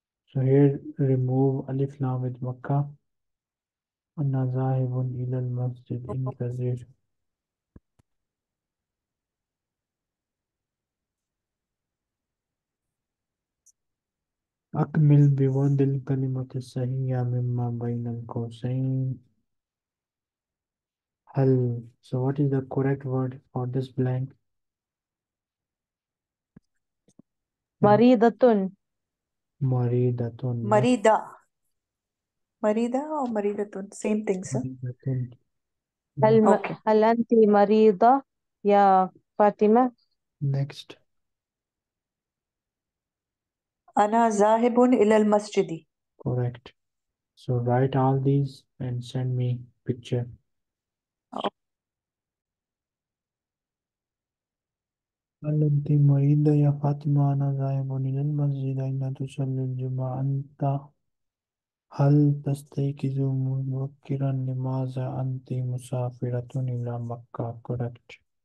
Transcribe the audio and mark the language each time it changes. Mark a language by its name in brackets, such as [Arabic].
[English] So here remove [Arabic] ألف لام من مكة. أنا ذاهب إلى المسجد. انتظر. أكمل بوضع الكلمة الصحيحة مما بين القوسين. هل [English] so what is the correct word for this blank? [Arabic] مريضة مريضة. [English] Yes. [Arabic] مريضة مريضة أو مريضة [English] same thing sir [Arabic] مريضة. okay هل أنت مريضة يا فاطمة؟ [English] Next. [Arabic] أنا ذاهب إلى المسجد [English] Correct. So write all these and send me picture. [Arabic] هل أنت مريضة يا فاطمة؟ أنا ذاهب إلى المسجد. أين تصلي الجمعة أنت؟ هل تستيقظ مبكرا؟ لماذا أنت مسافرة إلى مكة؟ [English] Correct.